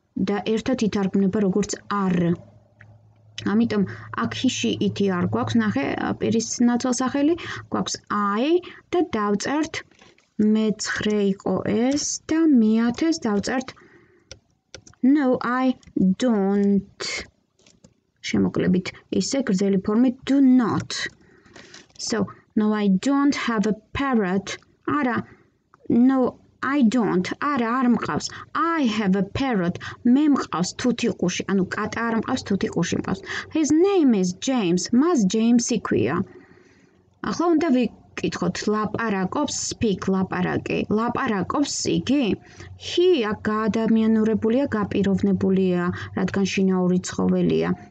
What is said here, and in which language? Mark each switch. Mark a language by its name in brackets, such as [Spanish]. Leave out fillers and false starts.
[Georgian] და ერთად ითარგმნება როგორც არ. ამიტომ აქ ჰიში ითი არ გვაქვს, ნახე პირის ნაცვალსახელი გვაქვს I და დავწერთ მეცხრე იყო ეს და მეათეს დავწერთ [English] No, I don't. [Georgian] შემოკლებით ისე გრძელი ფორმით do not. [English] So, no I don't have a parrot. Ara. No I don't. [Georgian] Ara არ მყავს. [English] I have a parrot. [Georgian] მე მყავს თუთი ყუში, ანუ კატა არ მყავს, თუთი ყუში მყავს. [English] His name is James. [Georgian] მას ჯეიმსი ქვია. ახლა უნდა ვიკითხოთ, ლაპარაკობს speak ლაპარაკი. ლაპარაკობს იგი? He აქ გაადამიანურებულია, გაპიროვნებულია, რადგან შინაური ცხოველია.